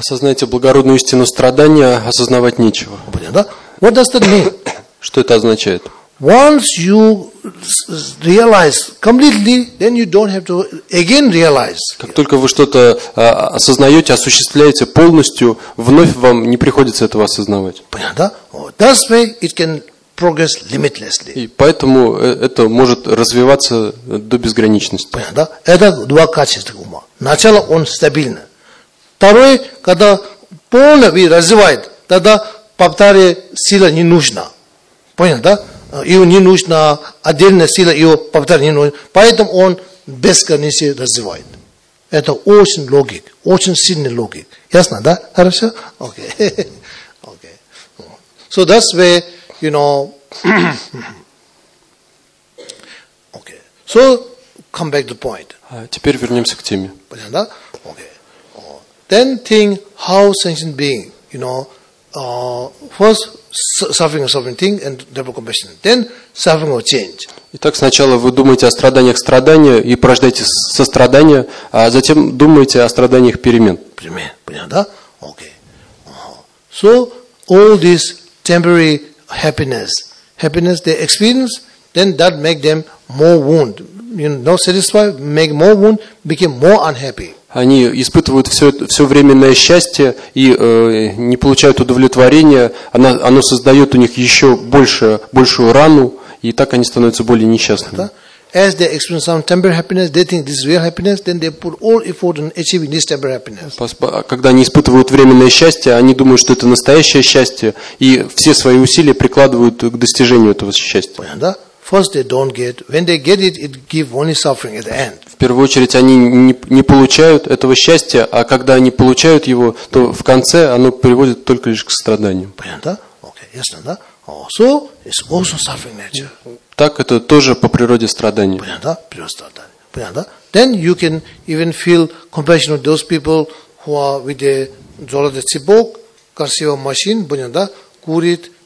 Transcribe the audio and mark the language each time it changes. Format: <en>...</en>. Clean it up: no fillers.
<ru>Осознайте благородную истину страдания, осознавать нечего. Понятно, да?</ru> <en>What does that mean?</en> <ru>Что это означает?</ru> <en>Once you realize completely, then you don't have to again realize.</en> <ru>Как только вы что-то осознаете, осуществляете полностью, вновь вам не приходится этого осознавать. Понятно, да?</ru> <en>That's why it can progress limitlessly.</en> <ru>И поэтому это может развиваться до безграничности. Понятно, да? Это два качества ума. Начало он стабильно. Второе, когда полно вы развиваете, тогда повторяя сила не нужна. Понятно, да? Ее не нужна отдельная сила, ее повторяя не нужна. Поэтому он бесконечно развивает. Это очень логик, очень сильный логик. Ясно, да? Хорошо? Окей. Окей.</ru> <en>So that's where you know, okay. So, come back to point.</en> <ru>Теперь вернемся к теме. Понятно, да? Okay.</ru> <en>Then think how sentient being, you know, first suffering thing and double compassion. Then suffering or change.</en> <ru>Итак, сначала вы думаете о страданиях страдания и порождаете сострадание, а затем думаете о страданиях перемен. Перемен, понятно, да? Окей.</ru> <en>So, all this temporary happiness, happiness they experience, then that make them more wound. You know, not satisfied, make more wound, become more unhappy.</en> <ru>Они испытывают все временное счастье и не получают удовлетворения, оно создает у них еще большую рану, и так они становятся более несчастными.</ru> <en>As they experience some temporary happiness, they think this is real happiness, then they put all effort on achieving this temporary happiness.</en> <ru>Когда они испытывают временное счастье, они думают, что это настоящее счастье, и все свои усилия прикладывают к достижению этого счастья. Понятно, да?</ru> <en>First they don't get. When they get it, it gives only suffering at the end.</en> <ru>В первую очередь они не получают этого счастья, а когда они получают его, то в конце оно приводит только лишь к страданиям. Понятно, да?</ru> <en>Okay,</en> <ru>ясно, да?</ru> <en>Also, it's also suffering nature.</en> <ru>Так это тоже по природе страдания. Понятно, да? Природа страдания. Понятно, да?</ru> <en>Then you can even feel compassion of those people who are with a</en> <ru>золотой цепок, красивая машина, понятно, да? Курит.</ru>